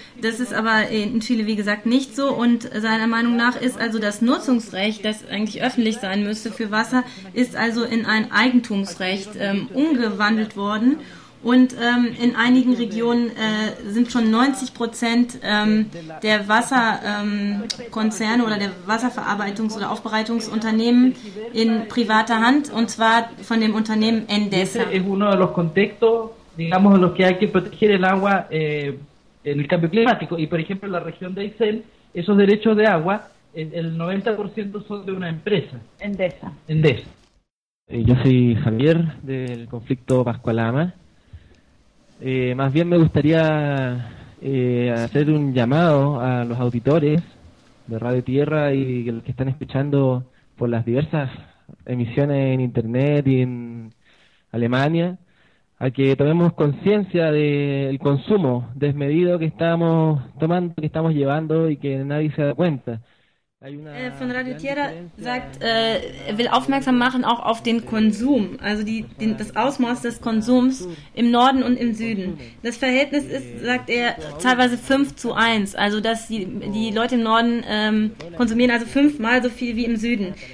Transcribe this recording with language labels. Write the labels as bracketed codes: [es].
[de] Das ist aber in Chile, wie gesagt, nicht so. Und seiner Meinung nach ist also das Nutzungsrecht, das eigentlich öffentlich sein müsste für Wasser, ist also in ein Eigentumsrecht umgewandelt worden. Und in einigen Regionen sind schon 90% der Wasserkonzerne oder der Wasserverarbeitungs- oder Aufbereitungsunternehmen in privater Hand, und zwar von dem Unternehmen Endesa. Es ist [es] uno de los contextos, digamos, en los que hay que proteger el agua en el cambio climático. Y por ejemplo, en la región de Aysén, esos derechos de agua, el 90% son de una empresa. Endesa. Endesa. Yo soy Javier, del conflicto Pascualama. Más bien me gustaría hacer un llamado a los auditores de Radio Tierra y los que están escuchando por las diversas emisiones en Internet y en Alemania a que tomemos conciencia del consumo desmedido que estamos tomando, que estamos llevando y que nadie se da cuenta. [de] Von Radio Tierra sagt, will aufmerksam machen auch auf den Konsum, also das Ausmaß des Konsums im Norden und im Süden. Das Verhältnis ist, sagt er, teilweise 5:1, also dass die Leute im Norden konsumieren also 5-mal so viel wie im Süden.